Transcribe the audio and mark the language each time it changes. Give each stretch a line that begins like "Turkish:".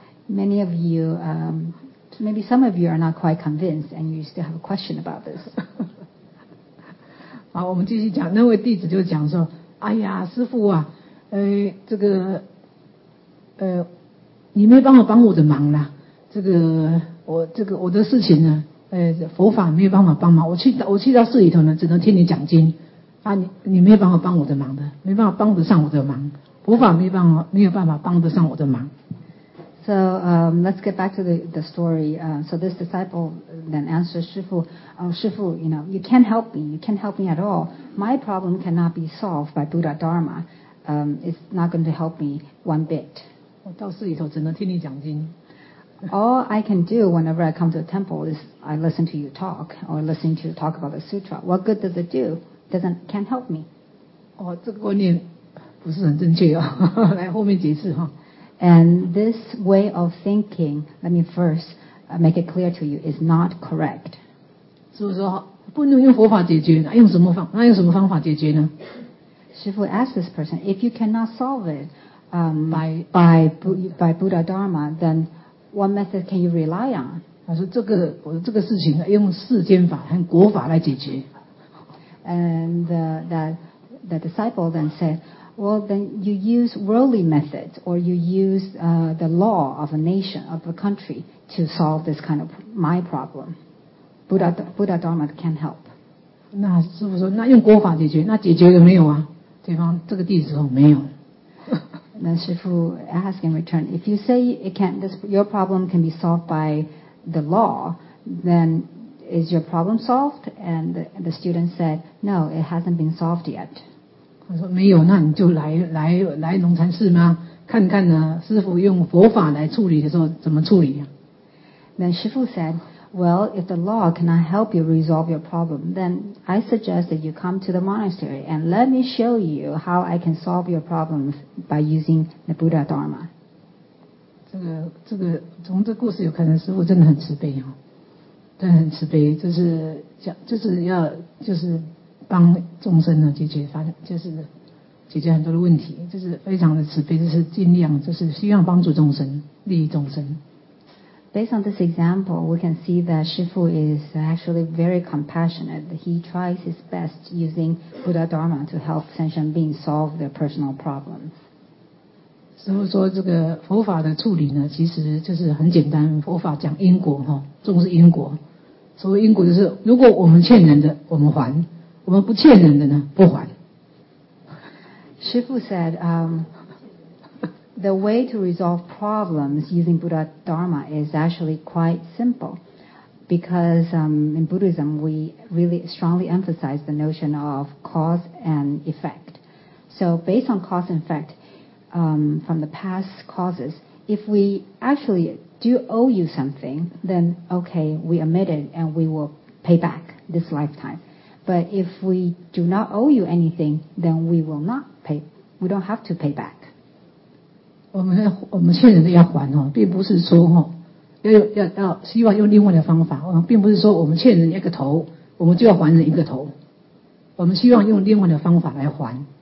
English: Many of you, maybe some of you are not quite convinced and you still have a question about this.
Chinese: 好，我们继续讲，那位弟子就讲说，哎呀，师父啊，这个，你没帮我帮我的忙啦，我的事情呢，佛法没有办法帮忙，我去到寺里头呢，只能听你讲经，啊，你没有帮我帮我的忙的，没办法帮得上我的忙。佛法没有办法帮得上我的忙。
English: So, let's get back to the story. So this disciple then answers, 师父, oh, 师父, you know, you can't help me. You can't help me at all. My problem cannot be solved by Buddha Dharma. It's not going to help me one bit.
Chinese: 我到寺里头只能听你讲经。
English: All I can do whenever I come to the temple is I listen to you talk or listen to you talk about the sutra. What good does it do? Can't help me.
Chinese: 哦，这个观念。不是很正确哦，来后面解释哈。
English: And this way of thinking, let me first make it clear to you, is not correct.
Chinese: 师父说不能用佛法解决，那用什么方法解决呢？
English: 师父 asked this person, if you cannot solve it by Buddha Dharma, then what method can you rely on?
Chinese: 他说这个事情用世间法和国法来解决。
English: And the disciple then said. Well, then you use worldly methods or you use the law of a nation, of a country to solve this kind of my problem. Buddha Dharma can't help.
Chinese: 那师父说那用国法解决那解决了没有啊对方这个弟子说没有。
English: 那师父 ask in return, if you say your problem can be solved by the law, then is your problem solved? And the student said, no, it hasn't been solved yet.
Chinese: 他说没有，那你就来龙禅寺吗？看看呢，师父用佛法来处理的时候怎么处理呀、啊、
English: ？Then 师父 said, "Well, if the law cannot help you resolve your problem, then I suggest that you come to the monastery and let me show you how I can solve your problems by using the Buddha Dharma."
Chinese: 这个从这故事有看出，师父真的很慈悲哦，真的很慈悲，就是要帮众生呢解决发就是解决很多的问题，就是非常的慈悲，就是尽量就是希望帮助众生，利益众生。
English: Based on this example, we can see that 师父 is actually very compassionate. He tries his best using Buddha Dharma to help sentient beings solve their personal problems.
Chinese: 师父说这个佛法的处理呢，其实就是很简单。佛法讲因果哈，重视因果。所谓因果就是，如果我们欠人的，我们还。我们不欠人的呢，不还。
English: 师父 said, the way to resolve problems using Buddha Dharma is actually quite simple, because in Buddhism we really strongly emphasize the notion of cause and effect. So based on cause and effect, from the past causes, if we actually do owe you something, then okay, we admit it and we will pay back this lifetime. But if we do not owe you anything, then we will not pay. We don't have to pay back.
Chinese: 我们欠人的要还哦，并不是说哦，要希望用另外的方法哦，并不是说我们欠人一个头，我们就要还人一个头。我们希望用另外的方法来还。